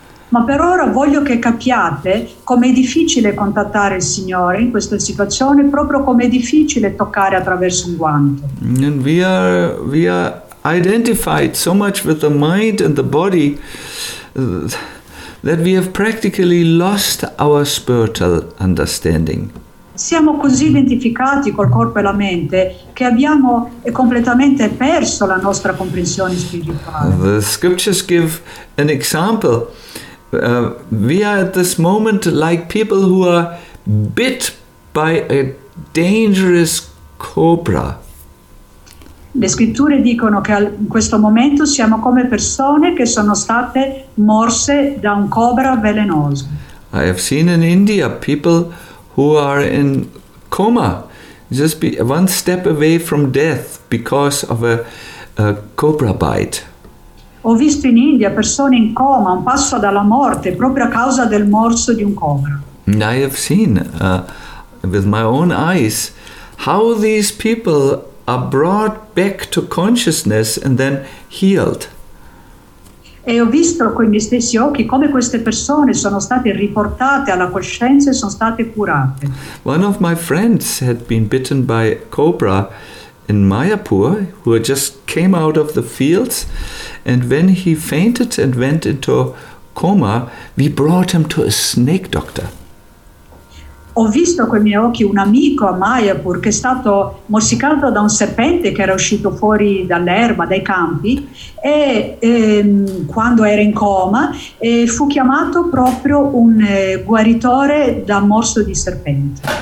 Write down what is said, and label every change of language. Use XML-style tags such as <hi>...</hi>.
<it>Ma per ora voglio che capiate come è difficile contattare il Signore in questa situazione, proprio come è difficile toccare attraverso un guanto.</it> <en>And we are identified so much with the mind and the body that we have practically lost our spiritual understanding.</en> <it>siamo così identificati col corpo e la mente che abbiamo completamente perso la nostra comprensione spirituale.</it> <en>The scriptures give an example. We are at this moment like people who are bit by a dangerous cobra.</en> <it>Le scritture dicono che in questo momento siamo come persone che sono state morse da un cobra velenoso.</it> <en>I have seen in India people who are in coma, just be one step away from death because of a cobra bite.</en> <it>Ho visto in India persone in coma, un passo dalla morte, proprio a causa del morso di un cobra.</it> <en>And I have seen with my own eyes how these people are brought back to consciousness and then healed.</en> <it>E ho visto con i miei stessi occhi come queste persone sono state riportate alla coscienza e sono state curate.</it> <en>One of my friends had been bitten by a cobra in Mayapur, who had just came out of the fields, and when he fainted and went into coma, we brought him to a snake doctor.</en> <it>Ho visto con i miei occhi un amico a Mayapur che è stato morsicato da un serpente che era uscito fuori dall'erba, dai campi, e quando era in coma fu chiamato proprio un guaritore da morso di serpente.</it>